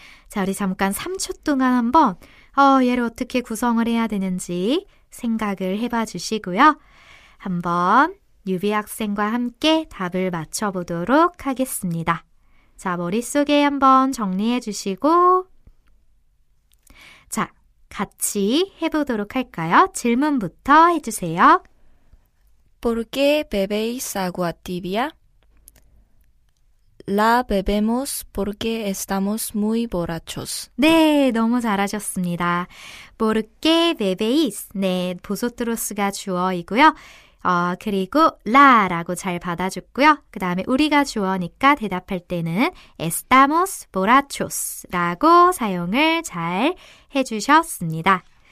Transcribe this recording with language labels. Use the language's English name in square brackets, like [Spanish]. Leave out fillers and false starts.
[Korean] 자, 우리 잠깐 3초 동안 한번 얘를 어떻게 구성을 해야 되는지 생각을 해봐 주시고요. 한번 유비 학생과 함께 답을 맞춰보도록 하겠습니다. 자, 머릿속에 한번 정리해 주시고 자, 같이 해보도록 할까요? 질문부터 해주세요. [Spanish] ¿Por qué bebéis agua tibia? La bebemos porque estamos muy borrachos. [Korean] 네, 너무 잘하셨습니다. [Spanish] ¿Por qué bebéis? [Korean] 네, 보소트로스가 주어이고요. 그리고 라라고 잘 받아줬고요. 그 다음에 우리가 주어니까 대답할 때는 [Spanish] estamos borrachos [Korean] 라고 사용을 잘 해주셨습니다.